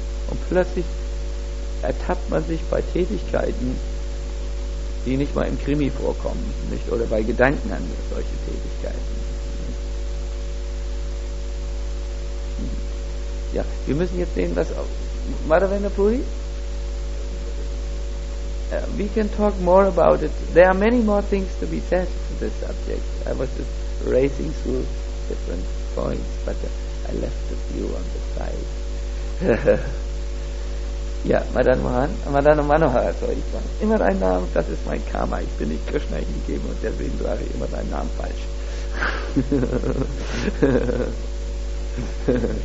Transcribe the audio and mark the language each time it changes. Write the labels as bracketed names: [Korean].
[German] Und plötzlich ertappt man sich bei Tätigkeiten, die nicht mal im Krimi vorkommen, nicht? Oder bei Gedanken an solche Tätigkeiten. Ja, wir müssen jetzt sehen, was auch Madhavendra Puri. [English] We can talk more about it. There are many more things to be said to this subject. I was just racing through different points, but I left a few on the side. [German] Ja, Madan Manohar, sorry, ich sage immer deinen Namen, das ist mein Karma, ich bin nicht Krishna hingegeben und deswegen sage ich immer deinen Namen falsch.